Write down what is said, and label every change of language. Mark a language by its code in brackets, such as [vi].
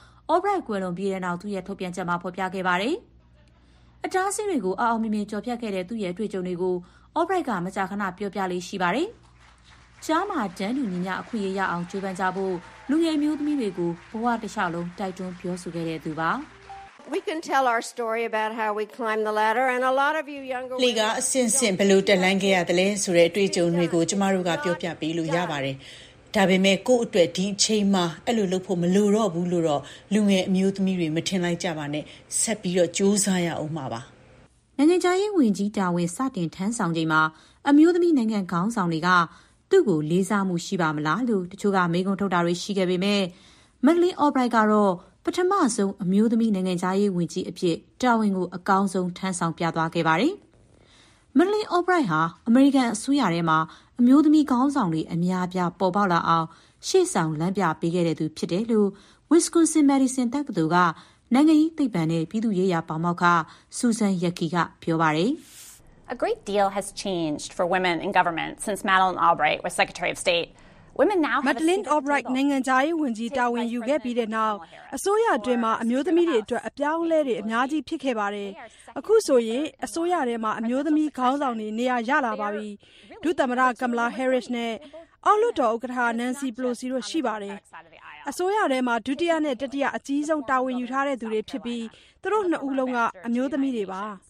[my] အော်ဘရိုက်ကွယ်လွန်ပြီးတဲ့နောက်သူ့ရဲ့ထုတ်ပြန်ချက်မှာဖော်ပြခဲ့ပါတယ်။အတားအဆီးတွေကိုအအောင်မြင်မြင်ကြော်ဖြတ်ခဲ့တဲ့သူ့ရဲ့တွေ့ကြုံတွေကိုအော်ဘရိုက်ကမကြာခဏပြောပြလေးရှိပါတယ်။ကြားမှာတန်းတူညီညာအခွင့်အရေးရအောင်ကြိုးပမ်းကြဖို့လူငယ်မျိုးသမီးတွေကိုဘဝတစ်လျှောက်လုံးတိုက်တွန်းပြောဆိုခဲ့တဲ့သူပါ။ [en] We can tell our story about how we climbed the ladder and a lot of you younger people [my] Liga အစဉ်စဉ်ဘလို့တက်လှမ်းခဲ့ရတယ်လဲဆိုတဲ့အတွေ့အကြုံတွေကိုကျမတို့ကပြောပြပေးလို့ရပါတယ်။ဒါပေမဲ့ကို့အတွက်ဒီအချိန်မှာအဲ့လိုလုပ်ဖို့မလိုတော့ဘူးလို့တော့လူငယ်အမျိုးသမီးတွေမထင်လိုက်ကြပါနဲ့ဆက်ပြီးတော့ကြိုးစားရအောင်ပါပါ ။နိုင်ငံခြားရေးဝန်ကြီးတာဝန်စတင်ထမ်းဆောင်ချိန်မှာအမျိုးသမီးနိုင်ငံခေါင်းဆောင်တွေကသူ့ကိုလေးစားမှုရှိပါမလားလို့တချို့ကမေးခွန်းထုတ်တာတွေရှိခဲ့ပေမဲ့ မက်ဒလင်းအော်ဘရိုက်ကတော့ပထမဆုံးအမျိုးသမီးနိုင်ငံခြားရေးဝန်ကြီးအဖြစ်တာဝန်ကိုအကောင်းဆုံးထမ်းဆောင်ပြသွားခဲ့ပါတယ်။မက်ဒလင်းအော်ဘရိုက်ဟာအမေရိကန်အစိုးရထဲမှာအမျိုးသမီးခေါင်းဆောင်တွေအများအပြားပေါ်ပေါက်လာအောင်ရှေ့ဆောင်လမ်းပြပေးခဲ့တဲ့သူဖြစ်တယ်လို့ဝစ်စကွန်ဆင်မက်ဒီဆင်တပ်ကသူကနိုင်ငံရေးသိပ္ပံနဲ့ပြည်သူ့ရေးရာပေါင်းပေါက်ကစူဇန်ယက်ကီကပြောပါတယ် ။ [en] A great deal has changed for women in government since Madeleine Albright was Secretary of State. Women now have [my] Madeleine Albright နိုင်ငံခြားရေးဝန်ကြီးတာဝန်ယူခဲ့ပြီးတဲ့နောက်အစိုးရအတွင်းမှာအမျိုးသမီးတွေအတွက်အပြောင်းအလဲတွေအများကြီးဖြစ်ခဲ့ပါတယ်။အခုဆိုရင်အစိုးရထဲမှာအမျိုးသမီးခေါင်းဆောင်တွေနေရာရလာပါပြီ။ဒုသမ္မတကမလာဟဲရစ်နဲ့အောက်လွှတ်တော်ဥက္ကဋ္ဌနန်စီပလိုစီတို့ရှိပါတယ်။အစိုးရထဲမှာဒုတိယနဲ့တတိယအကြီးဆုံးတာဝန်ယူထားတဲ့သူတွေဖြစ်ပြီးသူတို့နှစ်ဦးလုံးကအမျိုးသမီးတွေပါ။